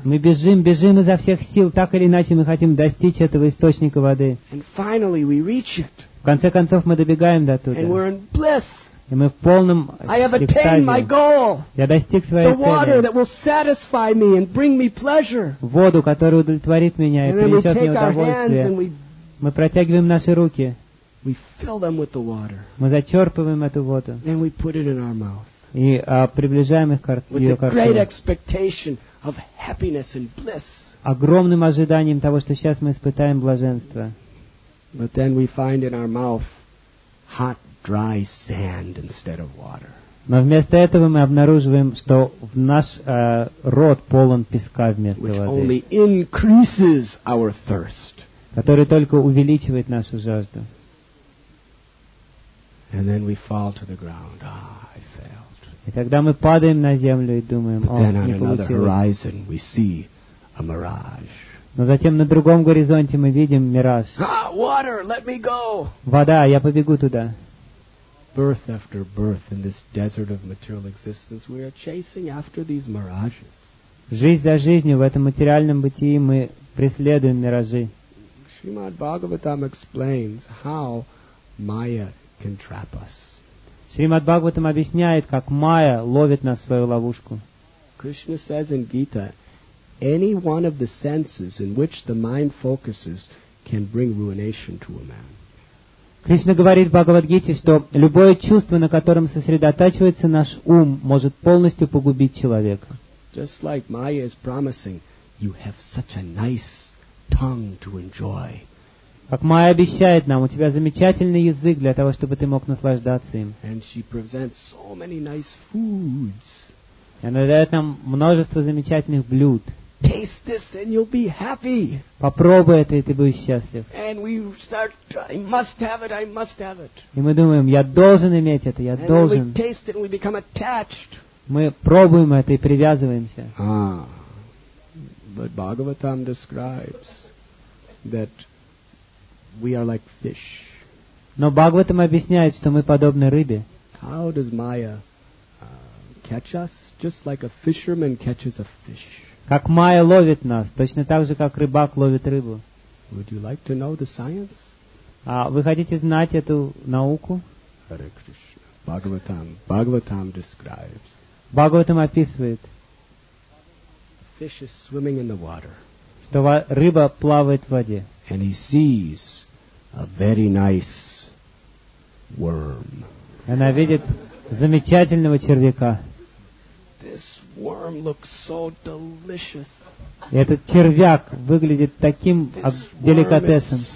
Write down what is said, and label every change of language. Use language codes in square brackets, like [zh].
[ru] Мы бежим изо всех сил, так или иначе мы хотим достичь этого источника воды. [en] And finally we reach it. [ru] В конце концов мы добегаем до туда. [en] And we're in bliss. [ru] И мы в полном счастье. Я достиг своей цели. [en] The water that will satisfy me and bring me pleasure. [ru] Воду, которая удовлетворит меня и принесет мне удовольствие. Мы протягиваем наши руки. [en] We fill them with the water. [ru] Мы зачерпываем эту воду. [en] And we put it in our mouth. [ru] И приближаем их к ее ко рту. [en] With great expectation of happiness and bliss. [ru] Огромным ожиданием того, что сейчас мы испытаем блаженство. [en] But then we find in our mouth hot dry sand instead of water. [ru] Но вместо этого мы обнаруживаем, что в наш рот полон песка вместо [en] which [ru] воды. [en] Which only increases our thirst. [ru] Который только увеличивает нашу жажду. [en] And then we fall to the ground. Ah, I failed. [ru] И тогда мы падаем на землю и думаем, о, не получилось. [en] But then on another horizon we see a mirage. [ru] Но затем на другом горизонте мы видим мираж. [en] Ah, water, let me go. [ru] Вода, я побегу туда. [en] Birth after birth in this desert of material existence, we are chasing after these mirages. [ru] Жизнь за жизнью в этом материальном бытии мы преследуем миражи. [en] Shrimad Bhagavatam explains how Maya can trap us. [ru] Shrimad Bhagavatam объясняет, как Майя ловит нас в свою ловушку. [en] Krishna says in Gita, any one of the senses in which the mind focuses can bring ruination to a man. [ru] Кришна говорит в Бхагавад-гите, что любое чувство, на котором сосредотачивается наш ум, может полностью погубить человека. [en] Just like Maya is promising, you have such a nice tongue to enjoy. [ru] Как Майя обещает нам, у тебя замечательный язык для того, чтобы ты мог наслаждаться им. [en] And she presents so many nice foods. [ru] И она дает нам множество замечательных блюд. [en] Taste this and you'll be happy. [ru] Попробуй это, и ты будешь счастлив. [en] And we start, I must have it, I must have it. [ru] И мы думаем, я должен иметь это, я должен. [en] And we taste it and we become attached. [ru] Мы пробуем это и привязываемся. Ah. [en] But Bhagavatam describes that we are like fish. [ru] Но Бхагаватам объясняет, что мы подобны рыбе. [en] How does Maya catch us? Just like a fisherman catches a fish. [ru] Как Майя ловит нас, точно так же, как рыбак ловит рыбу. [en] Would you like to know the science? [ru] А вы хотите знать эту науку? [en] Hare Krishna. Bhagavatam. Bhagavatam describes. [ru] Bhagavatam описывает. [en] Fish is swimming in the water. [ru] Что рыба плавает в воде. [en] And he sees a very nice worm. [ru] Она видит замечательного червяка. [en] This worm looks so delicious. [ru] Этот червяк выглядит таким деликатесом.